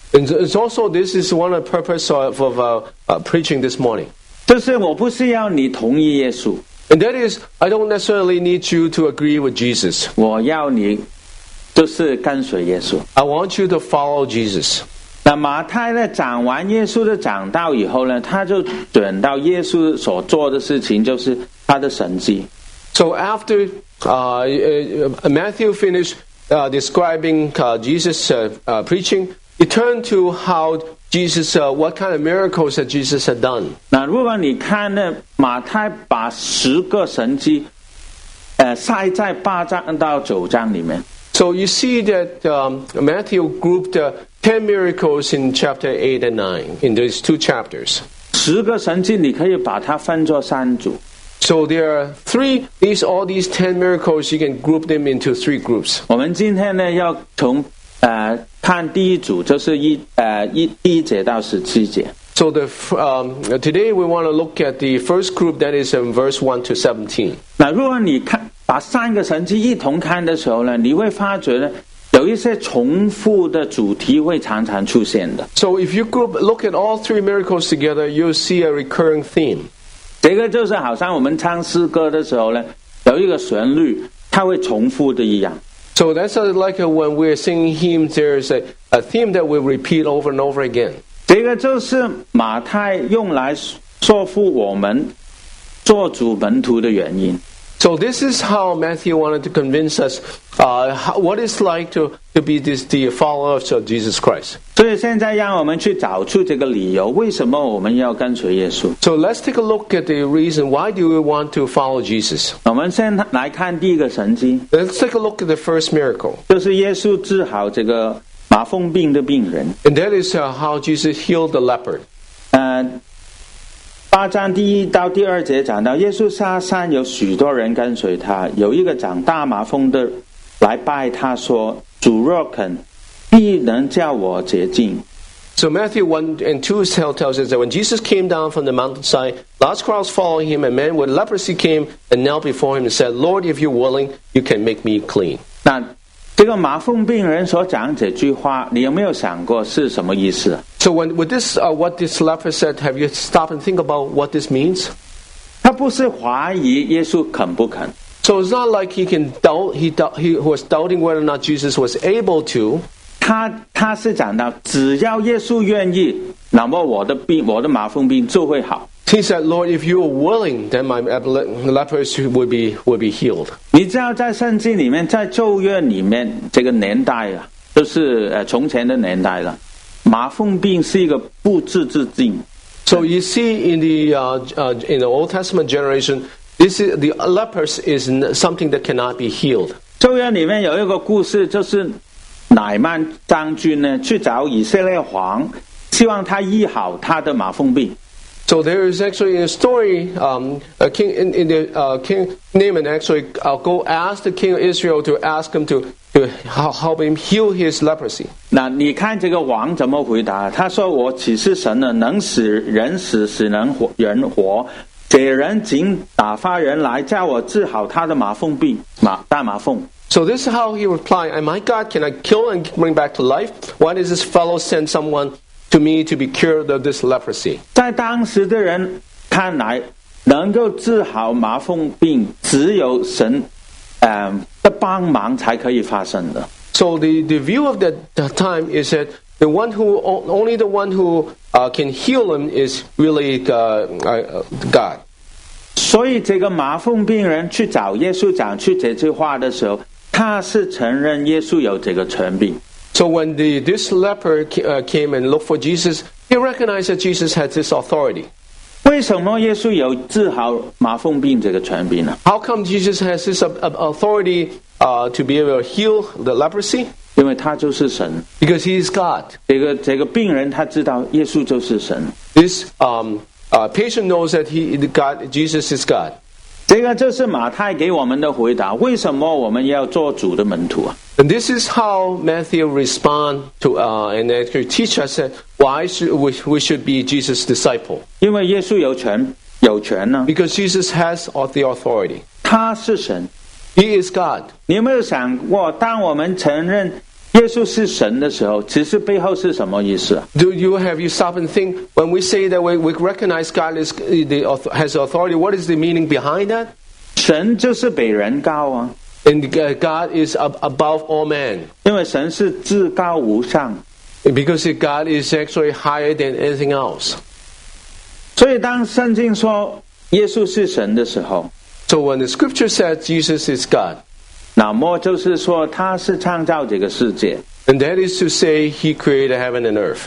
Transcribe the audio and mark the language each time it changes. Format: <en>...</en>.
<en>And it's also, this is one of the purpose of preaching this morning.</en> <zh>就是我不是要你同意耶稣。</zh> <en>And that is, I don't necessarily need you to agree with Jesus.</en> <zh>我要你就是跟随耶稣。</zh> <en>I want you to follow Jesus.</en> <zh>那马太呢，讲完耶稣的讲道以后呢，他就转到耶稣所做的事情，就是他的神迹。</zh> <en>So after Matthew finished describing Jesus' preaching,It turned to how Jesus, what kind of miracles that Jesus had done.</en> <zh>那如果你看呢，马太把10神迹，塞在8-9里面。</zh> <en>So you see that Matthew grouped 10 miracles in chapter 8 and 9, in these two chapters.</en> <zh>10神迹你可以把它分作三组。</zh> <en>So there are all these 10 miracles, you can group them into three groups.</en> <zh>我们今天呢要从看第一组，就是第一节到17。</zh> <en>So the today we want to look at the first group that is in verse 1-17.</en> <zh>那如果你看把三个神迹一同看的时候呢，你会发觉呢有一些重复的主题会常常出现的。</zh> <en>So if you look at all three miracles together, you'll see a recurring theme.</en> <zh>这个就是好像我们唱诗歌的时候呢，有一个旋律，它会重复的一样。</zh> <en>So that's like when we're singing hymns, there's a theme that we repeat over and over again.</en> <zh>这个就是马太用来说服我们做主门徒的原因。</zh> <en>So this is how Matthew wanted to convince us what it's like to be the followers of Jesus Christ.</en> <zh>所以现在让我们去找出这个理由，为什么我们要跟随耶稣。</zh> <en>So let's take a look at the reason why do we want to follow Jesus.</en> <zh>我们先来看第一个神迹。</zh> <en>Let's take a look at the first miracle.</en> <zh>就是耶稣治好这个麻风病的病人。</zh> <en>And that is how Jesus healed the leper.</en> <zh>8-2讲到耶稣下山有许多人跟随他，有一个长大麻风的来拜他说，主若肯必能叫我洁净。</zh> <en>So Matthew 1 and 2 tells us that when Jesus came down from the mountainside, large crowds followed him, and men with leprosy came and knelt before him and said, Lord, if you're willing, you can make me clean.</en> <zh>那这个麻风病人所讲这句话，你有没有想过是什么意思？</zh> <en>So when, with this,、what this leper said, have you stopped and think about what this means?</en> <zh>他不是怀疑耶稣肯不肯。</zh> <en>So it's not like he can doubt, he was doubting whether or not Jesus was able to.</en> <zh>他是讲到只要耶稣愿意，那么我的麻风病就会好。</zh> <en>He said, Lord, if you are willing, then my leprosy will be healed.</en> <zh>你知道在圣经里面，在旧约里面，这个年代啊，就是从前的年代了，麻风病是一个不治之病。</zh> <en>So you see in the, in the Old Testament generation, this is, the leprosy is something that cannot be healed.</en> <zh>旧约里面有一个故事，就是乃曼将军呢去找以色列皇，希望他医好他的麻风病。</zh> <en>So there is actually a story, King Naaman actually go ask the king of Israel to ask him to help him heal his leprosy.</en> <zh>那你看这个王怎么回答？他说：“我岂是神呢？能使人死，使能活人活？这人仅打发人来叫我治好他的麻风病，大麻风。”</zh> <en>So this is how he replied: "Am I God? Can I kill and bring back to life? Why does this fellow send someone?" To me, to be cured of this leprosy.</en> <zh>在当时的人看来，能够治好麻风病，只有神，的帮忙才可以发生的。</zh> <en>So the view of that time is that the one who only the one who can heal him is really God.</en> <zh>所以这个麻风病人去找耶稣讲去这句话的时候，他是承认耶稣有这个权柄。</zh> <en>So when this leper came and looked for Jesus, he recognized that Jesus had this authority.</en> <zh>为什么耶稣有治好麻风病这个权柄呢？</zh> <en>How come Jesus has this authority to be able to heal the leprosy?</en> <zh>因为他就是神。</zh> <en>Because he is God.</en> <zh>这个病人他知道耶稣就是神。</zh> <en>This patient knows that Jesus is God.</en> <zh>这个就是马太给我们的回答，为什么我们要做主的门徒啊？</zh> <en>And this is how Matthew responds to and actually teach us why we should be Jesus' disciple.</en> <zh>因为耶稣有权呢。</zh> <en>Because Jesus has all the authority.</en> <zh>他是神。</zh> <en>He is God.</en> <zh>你有没有想过，当我们承认耶稣是神的时候，其实背后是什么意思啊？</zh> <en>Have you stopped and think when we say that we recognize God has authority, what is the meaning behind that?</en> <zh>神就是比人高啊。</zh> <en>And God is above all men.</en> <zh>因为神是至高无上。</zh> <en>Because God is actually higher than anything else.</en> <zh>所以当圣经说耶稣是神的时候，</zh> <en>So when the scripture says Jesus is God,</en> <zh>那么就是说他是创造这个世界。</zh> <en>And that is to say he created heaven and earth.</en>